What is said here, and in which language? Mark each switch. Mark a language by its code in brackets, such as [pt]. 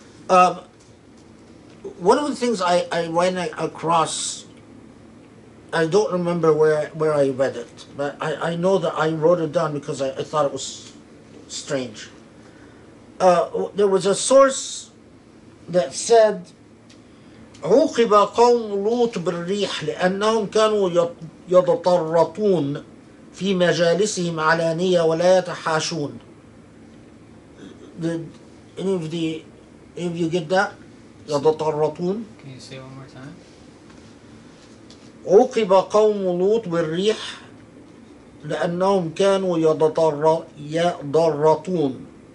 [en] Um, one of the things I ran across, I don't remember where I read it, but I know that I wrote it down because I thought it was strange. There was a source that said, [ar] عوقب قوم لوط بالريح لأنهم كانوا يتطرطون في مجالسهم علانية ولا يتحاشون. [en] Did any of the, if you get that? [ar] يتطرطون. [en] Can you say one more time? [ar] عوقب قوم لوط بالريح لأنهم كانوا يتضرطون.